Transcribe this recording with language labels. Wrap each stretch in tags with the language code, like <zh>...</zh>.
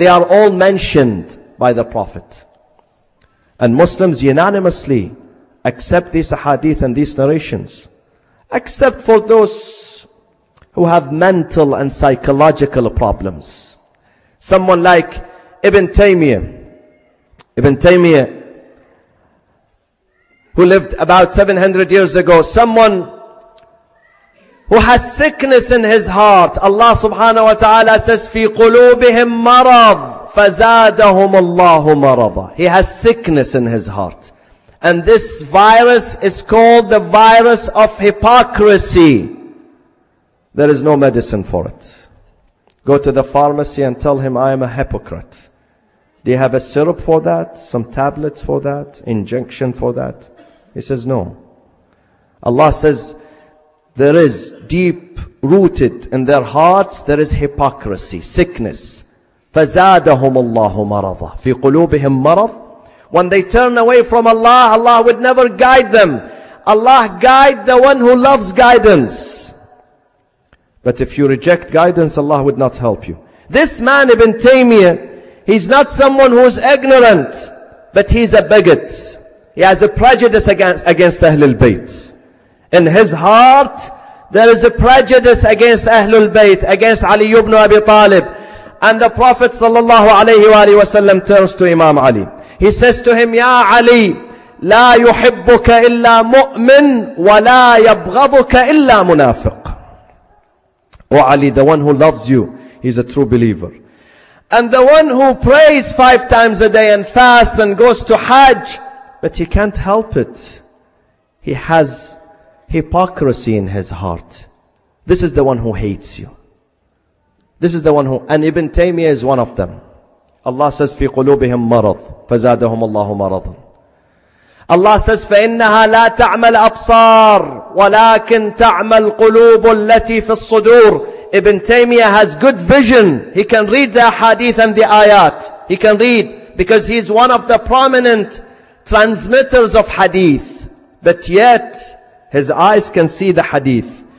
<en>They are all mentioned by the Prophet. And Muslims unanimously accept these hadith and these narrations, except for those who have mental and psychological problems. Someone like Ibn Taymiyyah. Ibn Taymiyyah, who lived about 700 years ago, someone who has sickness in his heart.</en> <ar>Allah subhanahu wa ta'ala says, في قلوبهم مرض فزادهم الله مرضا.</ar> <en>He has sickness in his heart. And this virus is called the virus of hypocrisy. There is no medicine for it. Go to the pharmacy and tell him, I am a hypocrite. Do you have a syrup for that? Some tablets for that? Injection for that? He says, no. Allah says, there is deep rooted in their hearts, there is hypocrisy, sickness.</en> <ar>فَزَادَهُمُ اللَّهُ مَرَضًا فِي قُلُوبِهِمْ مَرَضًا.</ar> <en>When they turn away from Allah, Allah would never guide them. Allah guide the one who loves guidance. But if you reject guidance, Allah would not help you. This man, Ibn Taymiyyah, he's not someone who's ignorant, but he's a bigot. He has a prejudice against Ahlul Bayt. In his heart, there is a prejudice against Ahlul Bayt, against Ali ibn Abi Talib. And the Prophet sallallahu alayhi wa sallam turns to Imam Ali. He says to him,</en> <ar>Ya Ali, لا يحبك إلا مؤمن ولا يبغضك إلا منافق.</ar> <en>O Ali, the one who loves you, he's a true believer. And the one who prays 5 times a day and fasts and goes to Hajj, but he can't help it. He has hypocrisy in his heart. This is the one who hates you. This is the one who, and Ibn Taymiyyah is one of them.</en> <ar>Allah says, في قلوبهم مرض فزادهم الله مرضا. Allah says, فإنها لا تعمل أبصار ولكن تعمل قلوب التي في الصدور.</ar> <en>Ibn Taymiyyah has good vision. He can read the hadith and the ayat. He can read because he's one of the prominent transmitters of hadith. But yet, his eyes can see the hadith.</en>